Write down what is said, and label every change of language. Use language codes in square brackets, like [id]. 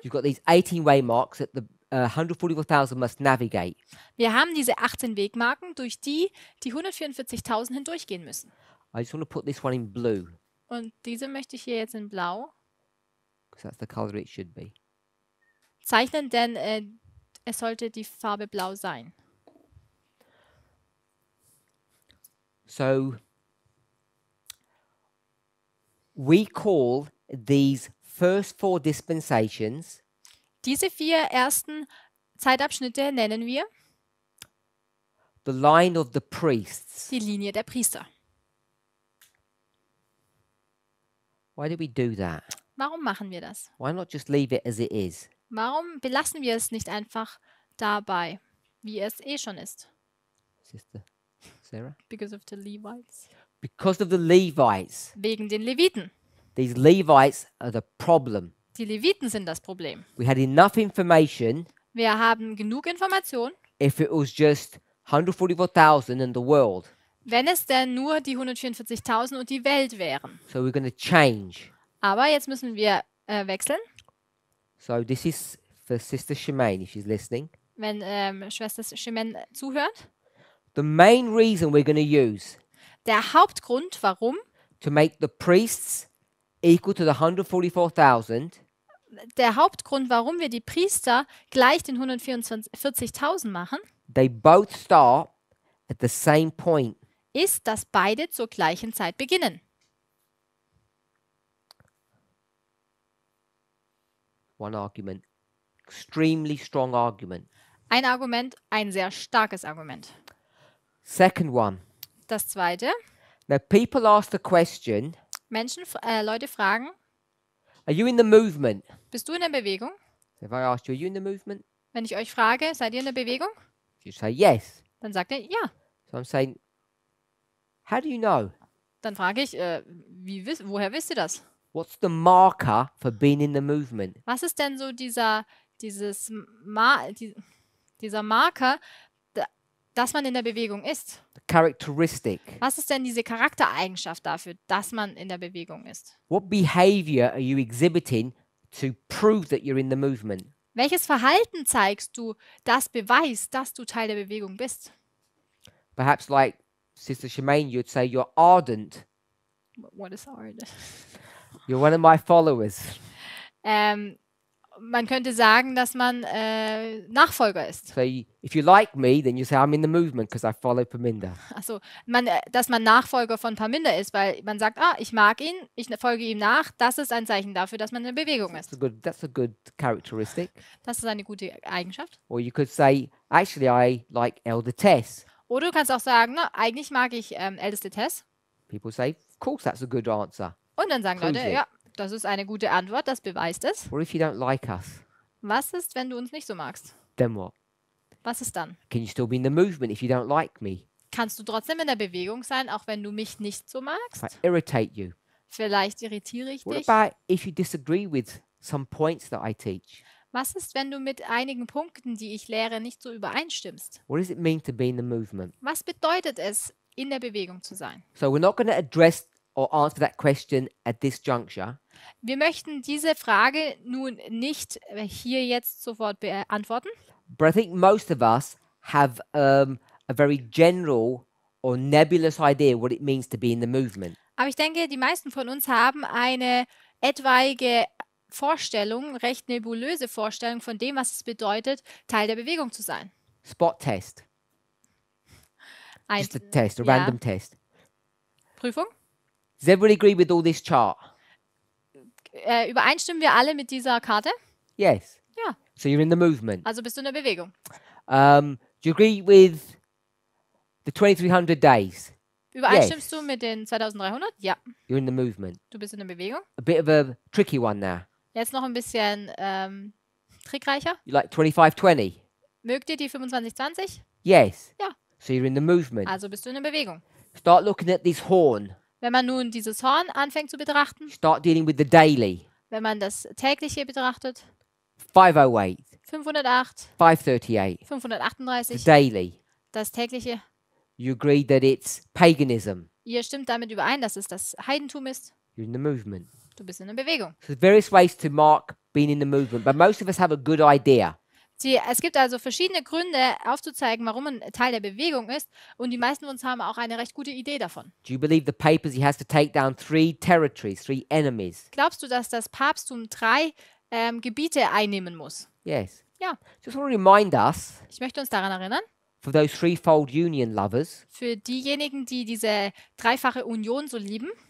[en] you've got these 18 waymarks that the 144,000 must navigate. [de] Wir haben diese 18 Wegmarken, durch die die 144.000 hindurchgehen müssen. [en] I just want to put this one in blue. [de] Und diese möchte ich hier jetzt in blau. [en] Because that's the color it should be. [de] Zeichnen, denn es sollte die Farbe blau sein. [en] So, we call these first four dispensations, [de] diese vier ersten Zeitabschnitte nennen wir [en] the line of the priests, [de] die Linie der Priester. [en] Why do we do that? [de] Warum machen wir das? [en] Why not just leave it as it is? [de] Warum belassen wir es nicht einfach dabei, wie es eh schon ist? [en] Sister Sarah? Because of the Levites. Because of the Levites. [de] Wegen den Leviten. [en] These Levites are the problem. [de] Die Leviten sind das Problem. [en] We had enough information. [de] Wir haben genug Information. [en] If it was just 144,000 in the world. [de] Wenn es denn nur die 144.000 und die Welt wären. [en] So we're going to change. [de] Aber jetzt müssen wir wechseln. [en] So this is for Sister Shemaine, if she's listening. [de] Wenn Schwester Shemaine zuhört. [en] The main reason we're going to use. [de] Der Hauptgrund, warum. [en] To make the priests equal to the 144,000. [de] Der Hauptgrund, warum wir die Priester gleich den 144.000 machen. [en] They both start at the same point. [de] Ist, dass beide zur gleichen Zeit beginnen. [en] One argument, extremely strong argument. [de] Ein Argument, ein sehr starkes Argument. [en] Second one. [de] Das zweite. [en] Now people ask the question. [de] Menschen, Leute fragen. [en] Are you in the movement? [de] Bist du in der Bewegung? [en] If I ask you, are you in the movement? [de] Wenn ich euch frage, seid ihr in der Bewegung? [en] You say yes. [de] Dann sagt ihr ja. [en] So I'm saying, how do you know? [de] Dann frage ich, woher wisst ihr das? [en] What's the marker for being in the movement? [de] Was ist denn so dieser Marker, dass man in der Bewegung ist? [en] The characteristic. [de] Was ist denn diese Charaktereigenschaft dafür, dass man in der Bewegung ist? [en] What behavior are you exhibiting to prove that you're in the movement? [de] Welches Verhalten zeigst du, das beweist, dass du Teil der Bewegung bist? [en] Perhaps like Sister Shemaine, you'd say you're ardent. What is ardent? You're one of my followers. [de] Man könnte sagen, dass man Nachfolger ist. [en] So if you like me, then you say I'm in the movement because I follow Parminder. [de] Also, dass man Nachfolger von Parminder ist, weil man sagt, ah, ich mag ihn, ich folge ihm nach. Das ist ein Zeichen dafür, dass man in der Bewegung ist. [en] That's a good characteristic. [de] Das ist eine gute Eigenschaft. [en] Or you could say, actually, I like Elder Tess. [de] Oder du kannst auch sagen, na, eigentlich mag ich Älteste Tess. [en] People say, of course, that's a good answer. [de] Und dann sagen Leute, ja. Das ist eine gute Antwort, das beweist es. [en] What if you don't like us? [de] Was ist, wenn du uns nicht so magst? [en] Then what? [de] Was ist dann? [en] Can you still be in the movement if you don't like me? [de] Kannst du trotzdem in der Bewegung sein, auch wenn du mich nicht so magst? [en] I irritate you. [de] Vielleicht irritiere ich [en] what [de] dich. [en] What about if you disagree with some points that I teach? [de] Was ist, wenn du mit einigen Punkten, die ich lehre, nicht so übereinstimmst? [en] What does it mean to be in the movement? [de] Was bedeutet es, in der Bewegung zu sein? [en] So we're not going to address or answer that question at this juncture. [de] Wir möchten diese Frage nun nicht hier jetzt sofort beantworten. [en] But I think most of us have a very general or nebulous idea what it means to be in the movement. [de] Aber ich denke, die meisten von uns haben eine etwaige Vorstellung, recht nebulöse Vorstellung von dem, was es bedeutet, Teil der Bewegung zu sein. [en] Spot test. Just a test, a random test. [de] Prüfung. [en] Does everybody agree with all this chart? [de] Übereinstimmen wir alle mit dieser Karte? [en] Yes. [de] Ja. [en] So you're in the movement. [de] Also bist du in der Bewegung. [en] Do you agree with the 2300 days? [de] Übereinstimmst du mit den 2300? Ja. [en] You're in the movement. [de] Du bist in der Bewegung. [en] A bit of a tricky one now. [de] Jetzt noch ein bisschen trickreicher. [en] You like 2520? [de] Mögt ihr die 2520? [en] Yes. [de] Ja. [en] So you're in the movement. [de] Also bist du in der Bewegung. [en] Start looking at this horn. [de] Wenn man nun dieses Horn anfängt zu betrachten. [en] Start dealing with the daily. [de] Wenn man das tägliche betrachtet. [en] 508. [de] 508. [en] 538. [de] 538. [en] The daily. [de] Das tägliche. [en] You agree that it's paganism. [de] Ihr stimmt damit überein, dass es das Heidentum ist. [en] You're in the movement. [de] Du bist in der Bewegung. [en] So various ways to mark being in the movement, but most of us have a good idea. [de] Es gibt also verschiedene Gründe, aufzuzeigen, warum man Teil der Bewegung ist. Und die meisten von uns haben auch eine recht gute Idee davon. [en] Do you believe the papacy has to take down three territories, three enemies? [de] Glaubst du, dass das Papsttum drei Gebiete einnehmen muss? [en] Yes. [de] Ja. [en] Just want to remind us, [de] ich möchte uns daran erinnern, [en] for those threefold union lovers, [de] für diejenigen, die diese dreifache Union so lieben.